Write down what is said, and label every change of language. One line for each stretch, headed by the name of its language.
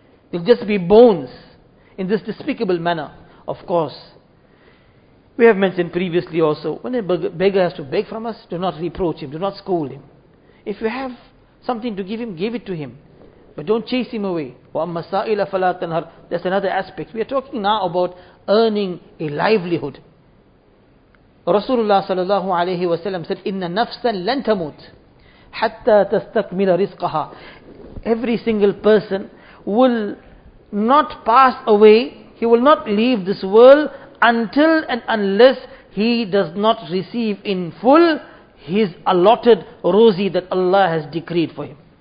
English: They'll just be bones in this despicable manner. Of course, we have mentioned previously also, when a beggar has to beg from us, do not reproach him, do not scold him. If you have something to give him, give it to him. But don't chase him away.
Arabic: وَأَمَّا سَائِلَ فَلَا تَنْهَرْ.
English: That's another aspect. We are talking now about earning a livelihood. Rasulullah sallallahu alayhi wa sallam said,
Arabic: إِنَّ نَفْسًا لَنْ تَمُوتْ حَتَّى تَسْتَكْمِلَ رِزْقَهَا.
English: Every single person will not pass away, he will not leave this world until and unless he does not receive in full his allotted rosy that Allah has decreed for him.